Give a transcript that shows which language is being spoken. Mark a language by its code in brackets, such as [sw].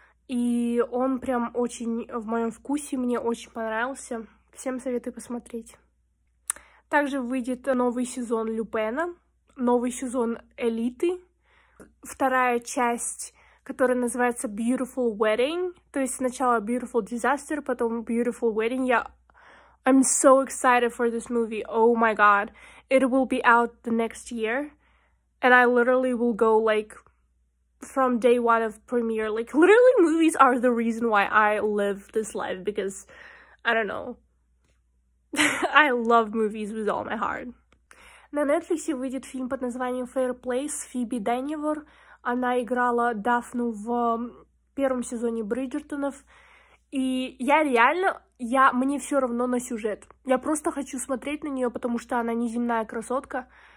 [ru] И он прям очень в моем вкусе, мне очень понравился. Всем советую посмотреть. Также выйдет новый сезон «Люпена», новый сезон «Элиты», вторая часть, которая называется «Beautiful Wedding». То есть сначала «Beautiful Disaster», потом «Beautiful Wedding». [en] I'm so excited for this movie. Oh my god. It will be out the next year. And I literally will go, like, from day one of premiere. Like, literally, movies are the reason why I live this life. Because, I don't know. I love movies with all my heart. [ru] На Netflix выйдет фильм под названием Fair Play с Фиби Дэнивор. Она играла Дафну в первом сезоне Бриджертонов. И я реально... Мне все равно на сюжет. Я просто хочу смотреть на нее, потому что она неземная красотка.